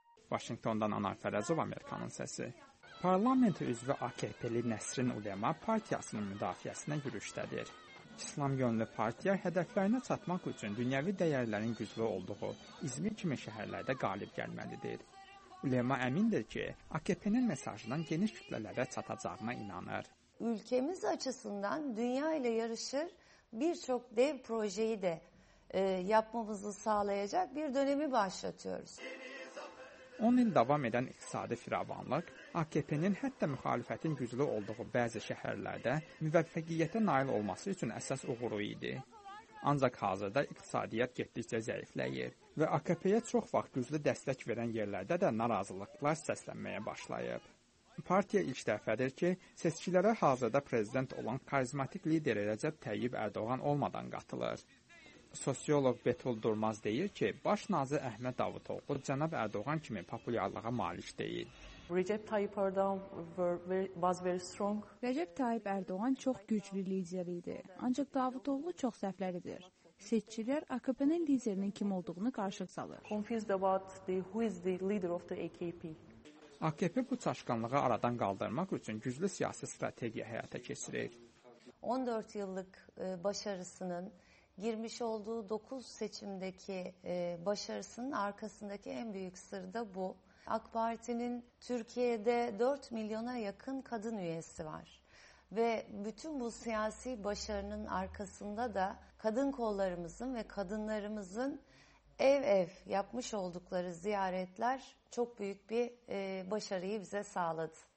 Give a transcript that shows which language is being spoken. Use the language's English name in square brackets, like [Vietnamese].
[Azerbaijani] Washingtondan Anar Fərəzov, Amerikanın səsi. Parlament üzvü AKP-li Nəsrin Ulema partiyasının müdafiəsinə yürüşdədir. İslam yönlü partiya hədəflərinə çatmaq üçün dünyəvi dəyərlərin güclü olduğu İzmir kimi şəhərlərdə qalib gəlməlidir. Ulema əmindir ki, AKP-nin mesajından geniş kütlələrə çatacağına inanır. [Turkish] Ülkemiz açısından dünya ilə yarışır bir çox dev projeyi de yapmamızı sağlayacak bir dönemi başlatıyoruz. [Azerbaijani] 10 il davam edən iqtisadi firavanlıq, AKP-nin hətta müxalifətin güclü olduğu bəzi şəhərlərdə müvəffəqiyyətə nail olması üçün əsas uğuru idi. Ancaq hazırda iqtisadiyyat getdikcə zəifləyir və AKP-yə çox vaxt güclü dəstək verən yerlərdə də narazılıqlar səslənməyə başlayıb. Partiya ilk dəfədir ki, seçkilərə hazırda prezident olan karizmatik lider Rəcəb Təyyib Ərdoğan olmadan qatılır. Sosioloq Betul Durmaz deyir ki, baş nazir Əhməd Davutoğlu cənab Ərdoğan kimi populyarlığa malik deyil. [English] Recep Tayyip Erdoğan was very strong. [Azerbaijani] Recep Tayyip Erdoğan çox güclü lider idi. Ancaq Davutoğlu çox səhvləridir. Seçkilər AKP-nin liderinin kim olduğunu qarşıq salır. [English] Confused about who is the leader of the AKP. [Azerbaijani] AKP bu çaşqınlığı aradan qaldırmaq üçün güclü siyasi strategiya həyata keçirir. [Turkish] 14 illik başarısının girmiş olduğu 9 seçimdeki başarısının arkasındaki en büyük sır da bu. AK Parti'nin Türkiye'de 4 milyona yakın kadın üyesi var. Ve bütün bu siyasi başarının arkasında da kadın kollarımızın ve kadınlarımızın ev ev yapmış oldukları ziyaretler çok büyük bir başarıyı bize sağladı.